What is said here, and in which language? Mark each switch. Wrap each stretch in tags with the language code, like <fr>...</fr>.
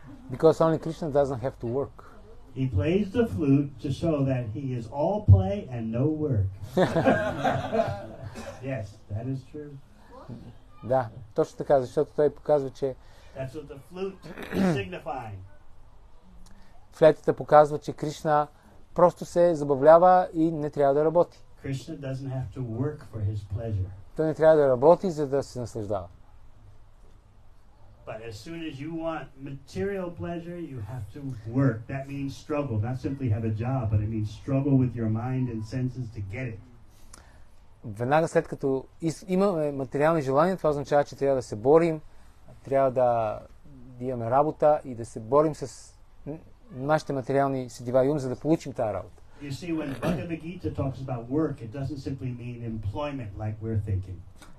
<en>Because only Krishna doesn't have to work. He plays the flute to show that he is all play and no work. Yes, that is true.</en> <bg>Да, точно така, защото той показва, че...</bg> <en>That's what the flute is signifying.</en> <bg>Флетата показва, че Кришна просто се забавлява и не трябва да работи.</bg> <en>Krishna doesn't have to work for his pleasure.</en> <bg>Той не трябва да работи, за да се наслаждава.</bg> <en>But as soon as you want material pleasure, you have to work. That means struggle. Not simply have a job, but it means struggle with your mind and senses to get it.</en> <bg>Веднага след като имаме материални желания, това означава, че трябва да се борим, трябва да имаме работа и да се борим с нашите материални седива и ум, за да получим тази работа.</bg> <en>You see, when Bhagavad Gita talks about work, it doesn't simply mean employment like we're thinking.</en>